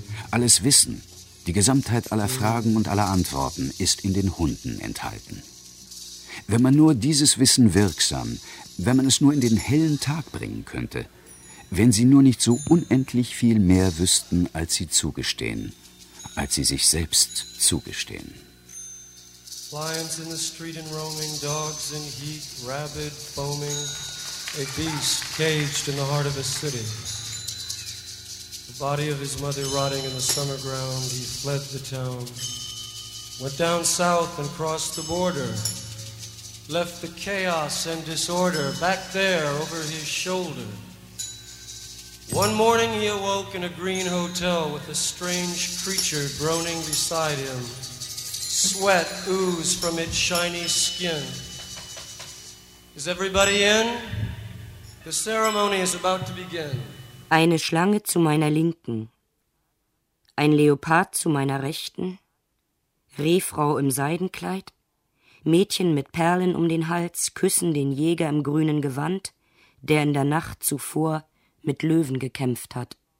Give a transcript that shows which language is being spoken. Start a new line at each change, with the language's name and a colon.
German: Alles Wissen, die Gesamtheit aller Fragen und aller Antworten ist in den Hunden enthalten. Wenn man nur dieses Wissen wirksam, wenn man es nur in den hellen Tag bringen könnte, wenn sie nur nicht so unendlich viel mehr wüssten, als sie zugestehen, als sie sich selbst zugestehen.
English: Lions in the street and roaming, dogs in heat, rabid, foaming, a beast caged in the heart of a city. The body of his mother rotting in the summer ground, he fled the town, went down south and crossed the border, left the chaos and disorder back there over his shoulder. One morning he awoke in a green hotel with a strange creature groaning beside him. Sweat ooze from its shiny skin. Is everybody in? The ceremony is about to begin.
German: Eine Schlange zu meiner Linken, ein Leopard zu meiner Rechten, Rehfrau im Seidenkleid, Mädchen mit Perlen um den Hals küssen den Jäger im grünen Gewand, der in der Nacht zuvor mit Löwen gekämpft hat.